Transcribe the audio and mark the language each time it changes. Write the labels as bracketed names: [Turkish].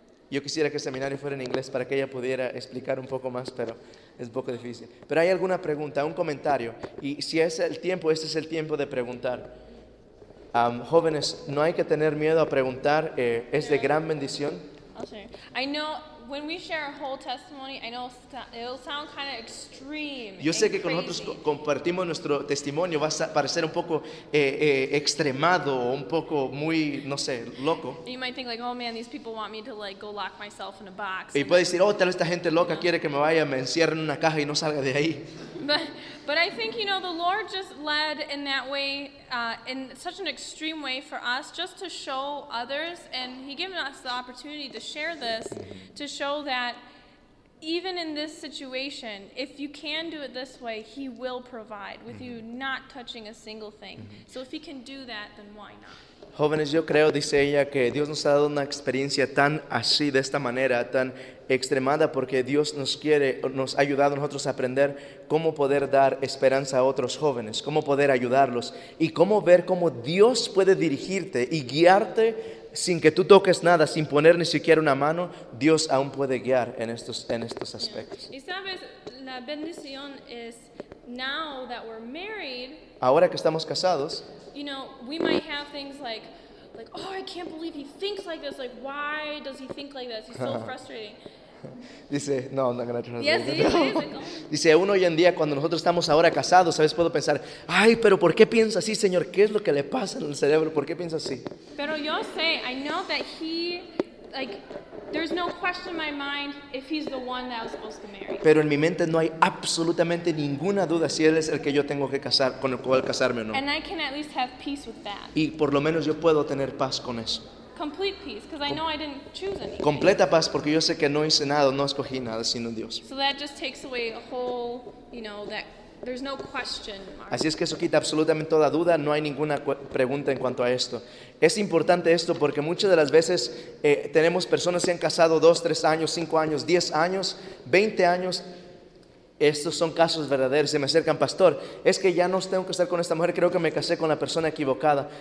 [Spanish] Yo quisiera que el seminario fuera en inglés para que ella pudiera explicar un poco más, pero es un poco difícil. Pero hay alguna pregunta, un comentario. Y si es el tiempo, este es el tiempo de preguntar. Jóvenes, no hay que tener miedo a preguntar. Es de gran bendición. [English] I know when we share a whole testimony, I know it'll sound kind of extreme. [Spanish] Yo sé que con nosotros compartimos nuestro testimonio va a parecer un poco extremado o un poco muy, no sé, loco. [English] You might think like, oh man, these people want me to like go lock myself in a box. [Spanish] Y puedes decir, oh, tal vez esta gente loca quiere que me encierre en una caja y no salga de ahí. [English] But I think, you know, the Lord just led in that way, in such an extreme way for us, just to show others, and He gave us the opportunity to share this, to show that even in this situation, if you can do it this way, He will provide, with you not touching a single thing. So if He can do that, then why not? [Spanish] Jóvenes, yo creo, dice ella, que Dios nos ha dado una experiencia tan así, de esta manera, tan extremada, porque Dios nos quiere, nos ha ayudado a nosotros a aprender cómo poder dar esperanza a otros jóvenes, cómo poder ayudarlos y cómo ver cómo Dios puede dirigirte y guiarte sin que tú toques nada, sin poner ni siquiera una mano. Dios aún puede guiar en estos aspectos. Y sabes, la bendición es, [English] now that we're married, [Spanish] ahora que estamos casados, [English] you know, we might have things like, oh, I can't believe he thinks like this. Like, why does he think like this? He's so frustrating. [Spanish] Dice, no, no, gracias. [English] Yes, yes, [Spanish] dice, aún hoy en día, cuando nosotros estamos ahora casados, ¿sabes? Puedo pensar, ay, pero ¿por qué piensa así, Señor? ¿Qué es lo que le pasa en el cerebro? ¿Por qué piensa así? Pero yo sé, [English] I know that he, like, there's no question in my mind if he's the one that I was supposed to marry. [Spanish] Pero en mi mente no hay absolutamente ninguna duda si él es el que yo tengo que casar, con el cual casarme o no. [English] And I can at least have peace with that. [Spanish] Y por lo menos yo puedo tener paz con eso. [English] Complete peace, because I know I didn't choose anything. [Spanish] Completa paz, porque yo sé que no hice nada, no escogí nada, sino Dios. [English] So that just takes away a whole, you know, that there's no question mark. [Spanish] Así es que eso quita absolutamente toda duda, no hay ninguna pregunta en cuanto a esto. Es importante esto porque muchas de las veces tenemos personas que se han casado 2, 3 años, 5 años, 10 años, 20 años, Estos son casos verdaderos. Se me acercan, pastor, es que ya no tengo que estar con esta mujer, creo que me casé con la persona equivocada.